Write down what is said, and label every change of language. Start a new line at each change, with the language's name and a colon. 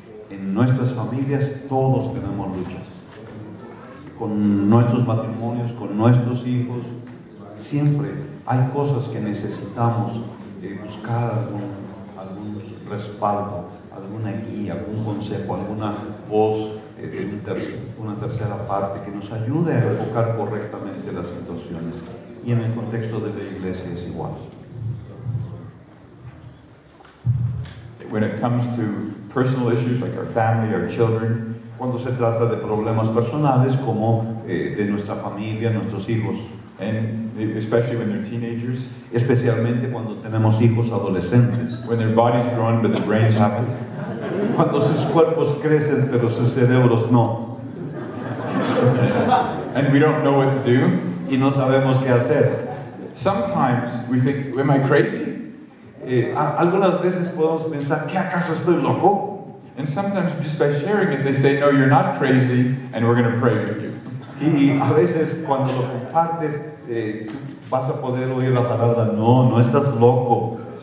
Spanish: En nuestras familias todos tenemos luchas. Con nuestros matrimonios, con nuestros hijos, siempre hay cosas que necesitamos buscar algún respaldo, alguna guía, algún consejo, alguna voz, una tercera parte que nos ayude a enfocar correctamente las situaciones. Y en el contexto de la iglesia es igual.
English: When it comes to personal issues like our family, our children,
Spanish: cuando se trata de problemas personales como de nuestra familia, nuestros hijos,
English: and especially when they're teenagers,
Spanish: especialmente cuando tenemos hijos adolescentes,
English: when their body's grown but their brains haven't,
Spanish: cuando sus cuerpos crecen pero sus cerebros no,
English: and we don't know what to do,
Spanish: y no sabemos qué hacer.
English: Sometimes we think, am I crazy?
Spanish: Algunas veces podemos pensar, ¿qué acaso estoy loco?
English: And sometimes just by sharing it, they say, no, you're not crazy, and we're going to pray with you.
Spanish: Y a veces cuando lo compartes, vas a poder oír la palabra, no, no estás loco.